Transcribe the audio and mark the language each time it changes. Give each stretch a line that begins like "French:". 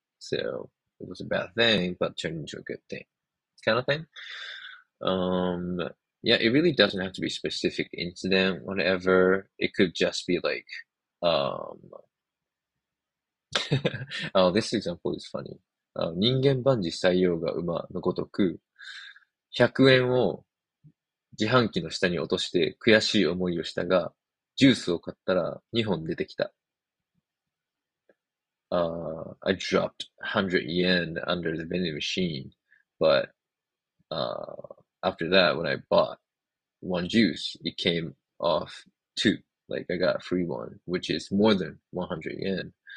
English: So it was a bad thing, but turned into a good thing, kind of thing. Yeah, it really doesn't have to be specific incident, whatever. It could just be like, oh, this example is funny.
Japanese: 人間万事塞翁が馬のごとく、100円を自販機の下に落として悔しい思いをしたが、ジュースを買ったら2本出てきた。
English: I dropped 100 yen under the vending machine, but, after that, when I bought one juice, it came off 2. Like, I got a free one, which is more than 100 yen.